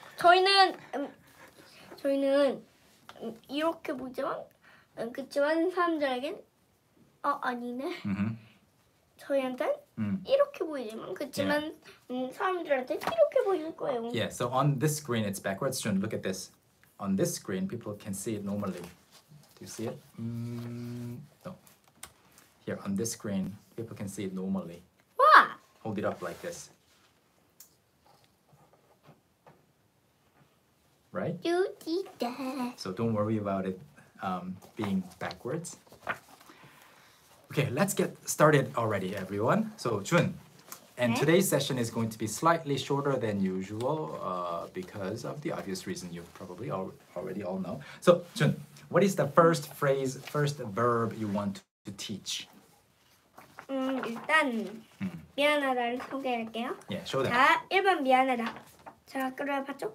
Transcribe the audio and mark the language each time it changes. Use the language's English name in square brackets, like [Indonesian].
[Korean] 저희는 이렇게 보지만 그치만 사람들에겐 아니네. 저희한테는 이렇게 보이지만 그치만 사람들한테 이렇게 보일 거예요. [English] Yeah. So on this screen it's backwards. Jun, look at this. On this screen people can see it normally. Do you see it? No. Here on this screen, people can see it normally. What? Hold it up like this. Right? You did that. So don't worry about it being backwards. Okay, let's get started already, everyone. So Jun, and today's session is going to be slightly shorter than usual because of the obvious reason you probably already all know. So Jun. What is the first phrase, first verb you want to teach? [Korean] 일단 미안하다를 소개할게요. [English] Yeah, show them. [Korean] 자, 1번 미안하다. 자, 그래 봤죠?